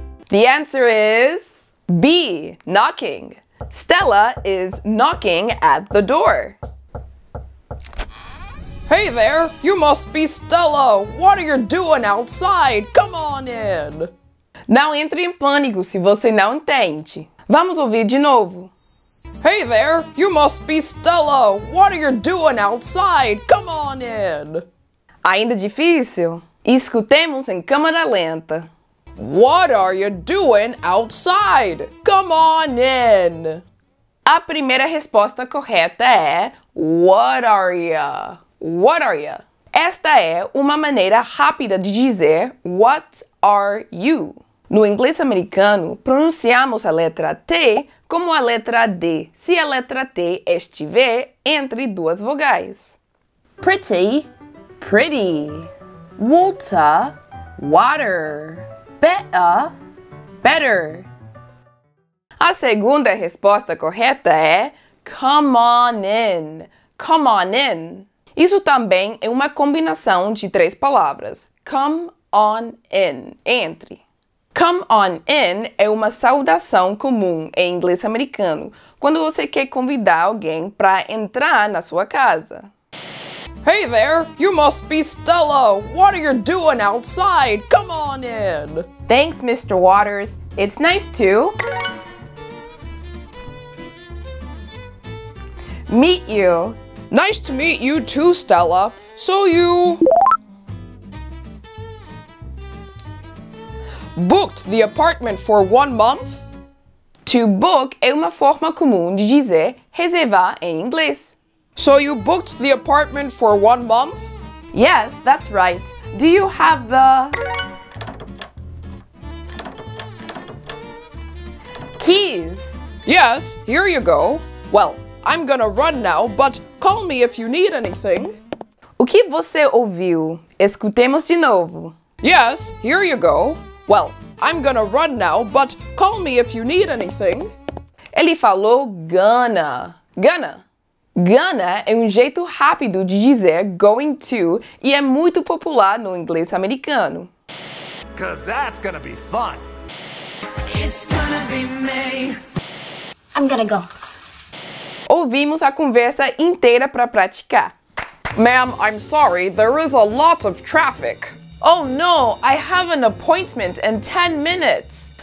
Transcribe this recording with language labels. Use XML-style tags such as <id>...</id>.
<en>The answer is B, knocking. Stella is knocking at the door. Hey there, you must be Stella. What are you doing outside? Come on in.</en> <pt>Não entre em pânico se você não entende. Vamos ouvir de novo.</pt> <en>Hey there, you must be Stella. What are you doing outside? Come on in.</en> <pt>Ainda difícil? Escutemos em câmera lenta.</pt> <en>What are you doing outside? Come on in.</en> <pt>A primeira resposta correta é</pt> <en>What are you? What are you?</en> <pt>Esta é uma maneira rápida de dizer</pt> <en>What are you?</en> <pt>No inglês americano, pronunciamos a letra T como a letra D, se a letra T estiver entre duas vogais.</pt> <en>Pretty, pretty. Water, water. Better, better.</en> <pt>A segunda resposta correta é</pt> <en>come on in, come on in.</en> <pt>Isso também é uma combinação de três palavras,</pt> <en>come on in,</en> <pt>entre.</pt> <en>Come on in</en> <pt>é uma saudação comum em inglês americano, quando você quer convidar alguém para entrar na sua casa.</pt> <en>Hey there, you must be Stella. What are you doing outside? Come on in. Thanks, Mr. Waters. It's nice to meet you. Nice to meet you too, Stella. So you booked the apartment for 1 month? To book</en> <pt>é uma forma comum de dizer reservar em inglês.</pt> <en>So you booked the apartment for 1 month? Yes, that's right. Do you have the keys? Yes, here you go. Well, I'm gonna run now, but call me if you need anything.</en> <pt>O que você ouviu? Escutemos de novo.</pt> <en>Yes, here you go. Well, I'm gonna run now, but call me if you need anything.</en> <pt>Ele falou gonna. Gonna. Gonna é um jeito rápido de dizer going to e é muito popular no inglês americano.</pt> <en>'Cause that's gonna be fun. It's gonna be me. I'm gonna go.</en> <pt>Ouvimos a conversa inteira para praticar.</pt> <en>Ma'am, I'm sorry, there is a lot of traffic. Oh no, I have an appointment in 10 minutes.</en>